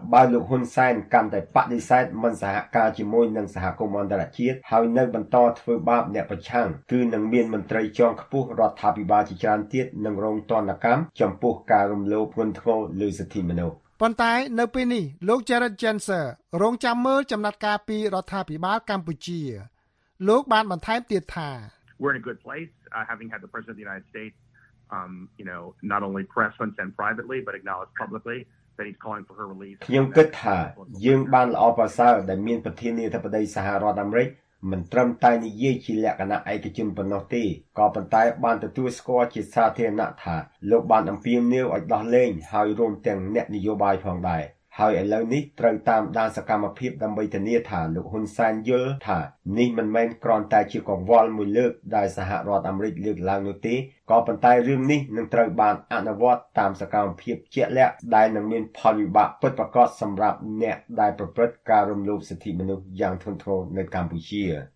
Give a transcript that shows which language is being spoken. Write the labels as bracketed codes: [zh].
[km] បើលោកហ៊ុនសែនកាន់តែបដិសេធមិនសហការជាមួយនឹងសហគមន៍អន្តរជាតិហើយនៅបន្តធ្វើបាបអ្នកប្រឆាំងគឺនឹងមានមន្ត្រីជាន់ខ្ពស់រដ្ឋាភិបាលជាច្រើនទៀតនឹងរងទណ្ឌកម្មចំពោះការរំលោភធ្ងន់ធ្ងរលើសិទ្ធិមនុស្ស ប៉ុន្តែនៅពេលនេះលោក Jared Jenser រងចាំមើលចំណាត់ការពីរដ្ឋាភិបាលកម្ពុជាលោកបានបន្ថែមទៀតថា [en] Not only press Hun Sen privately but acknowledge publicly that he's calling for her release. [km] ខ្ញុំគិតថាយើងបានល្អប្រសើរដែលមានប្រធានាធិបតីសហរដ្ឋអាមេរិកមិនត្រឹមតែនិយាយជាលក្ខណៈឯកជនប៉ុណ្ណោះទេក៏ប៉ុន្តែបានទទួលស្គាល់ជាសាធារណៈថាលោកបានអំពាវនាវឲ្យដោះលែងហើយរួមទាំងអ្នកនយោបាយផងដែរ ហើយឥឡូវនេះត្រូវតាមដានសកម្មភាពដើម្បីធានាថាលោកហ៊ុនសែនយល់ថានេះមិនមែនគ្រាន់តែជាកង្វល់មួយលើកដែលសហរដ្ឋអាមេរិកលើកឡើងនោះទេក៏ប៉ុន្តែរឿងនេះនឹងត្រូវបានអនុវត្តតាមសកម្មភាពជាក់លាក់ដែលនឹងមានផលវិបាកពិតប្រាកដសម្រាប់អ្នកដែលប្រព្រឹត្តការរំលោភសិទ្ធិមនុស្សយ៉ាងធ្ងន់ធ្ងរនៅកម្ពុជា